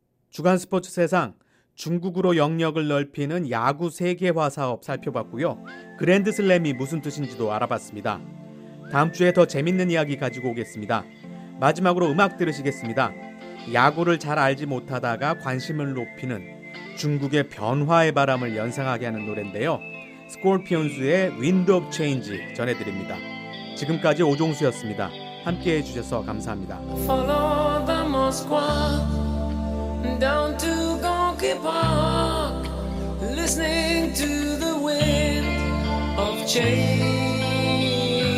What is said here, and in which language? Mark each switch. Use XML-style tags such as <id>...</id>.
<ko>주간 스포츠 세상, 중국으로 영역을 넓히는 야구 세계화 사업 살펴봤고요. 그랜드슬램이 무슨 뜻인지도 알아봤습니다. 다음 주에 더 재밌는 이야기 가지고 오겠습니다. 마지막으로 음악 들으시겠습니다. 야구를 잘 알지 못하다가 관심을 높이는 중국의 변화의 바람을 연상하게 하는 노래인데요. 스콜피온즈의 Wind of Change 전해드립니다. 지금까지 오종수였습니다. 함께해 주셔서 감사합니다.</ko> <en>Follow the Moscow down to Gorky Park, listening to the wind of change.</en>